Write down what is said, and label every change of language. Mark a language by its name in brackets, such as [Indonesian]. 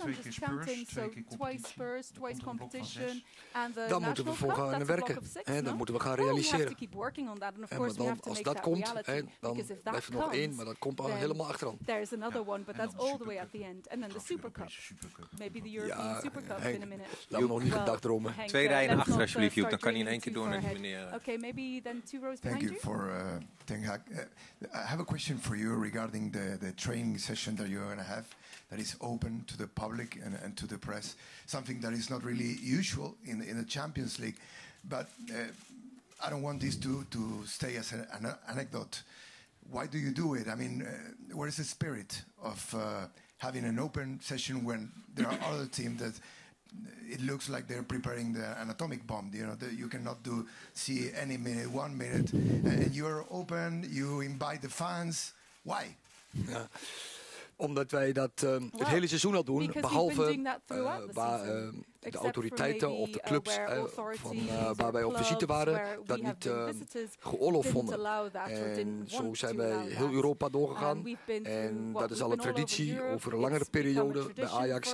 [English] I'm just counting, so twice Spurs, twice competition. [Dutch] Dan moeten we voor gaan werken. Dan moeten we gaan realiseren. Als dat komt, dan blijft er nog 1, maar dat komt al helemaal achteraan. [English] There is another one, but that's all the way at the end. And then the Super Cup. Maybe the European Super Cup in a minute. [Dutch] Laat me nog niet gedacht dromen. 2 rijen achter alsjeblieft, Joep. Dan kan hij in 1 keer door naar die meneer. [English] Okay, maybe then 2 rows behind. Thank you for Ten Hag. I have a question for you regarding the training session that you're going to have that is open to the public and to the press, something that is not really usual in the Champions League. But I don't want this to stay as an anecdote. Why do you do it? I mean, what is the spirit of having an open session when there are other teams that it looks like they're preparing an atomic bomb? You know, you cannot see any minute, 1 minute, and you're open, you invite the fans. Why? [Dutch] Omdat wij dat het hele seizoen al doen, behalve waar de autoriteiten of de clubs waar wij op visite waren, dat niet geoorloofd vonden. En zo zijn wij heel Europa doorgegaan. En dat is al een traditie over een langere periode bij Ajax.